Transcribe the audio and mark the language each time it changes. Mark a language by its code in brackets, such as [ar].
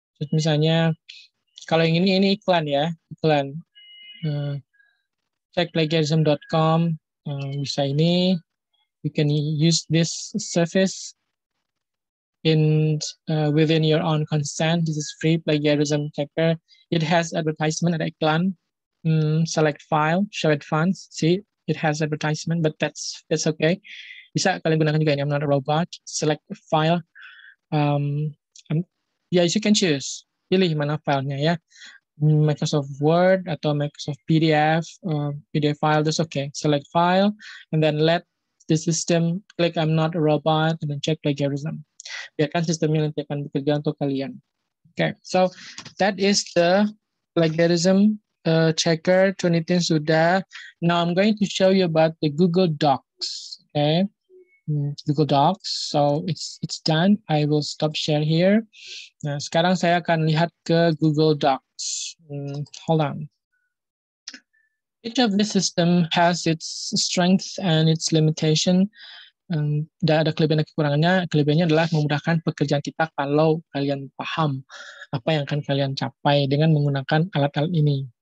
[id] Misalnya, kalau yang ini iklan ya, iklan. [en] Check plagiarism.com, [id] bisa ini, [en] you can use this service in within your own consent. This is free plagiarism checker. It has advertisement at iklan. Select file, show advance. See, it has advertisement, but that's okay. [id] Bisa kalian gunakan juga ini. [en] I'm not a robot. Select file. Yeah, you can choose. [id] Pilih mana filenya ya. [en] Microsoft Word atau Microsoft PDF, PDF file, that's okay. Select file and then let the system click I'm not a robot and then check plagiarism. [id] Biarkan sistemnya nanti akan bekerja untuk kalian. [en] Okay, so that is the plagiarism checker. [id] Turnitin sudah. [en] Now I'm going to show you about the Google Docs. Okay, Google Docs. So it's done. I will stop share here. [id] Nah, sekarang saya akan lihat ke Google Docs. [en] Hold on. Each of the system has its strength and its limitation. [id] Ada kelebihan dan kekurangannya. Kelebihannya adalah memudahkan pekerjaan kita kalau kalian paham apa yang akan kalian capai dengan menggunakan alat-alat ini.